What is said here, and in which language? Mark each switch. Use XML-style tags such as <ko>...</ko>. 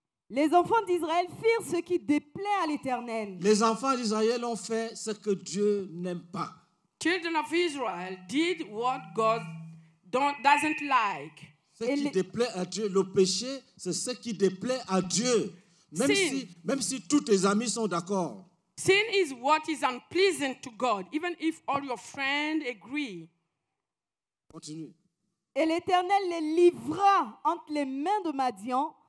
<fr>Les enfants d'Israël firent ce qui déplaît à l'Éternel. Les enfants d'Israël ont fait ce que Dieu n'aime pas.</fr> <en>Children of Israel did what God doesn't like.</en> <fr>Ce qui déplaît à Dieu, le péché, c'est ce qui déplaît à Dieu. Même si tous tes amis sont d'accord.</fr> <en>Sin is what is unpleasant to God, even if all your friends agree.</en> <fr>Continue. Et l'Éternel les livra entre les mains de Madian.</fr>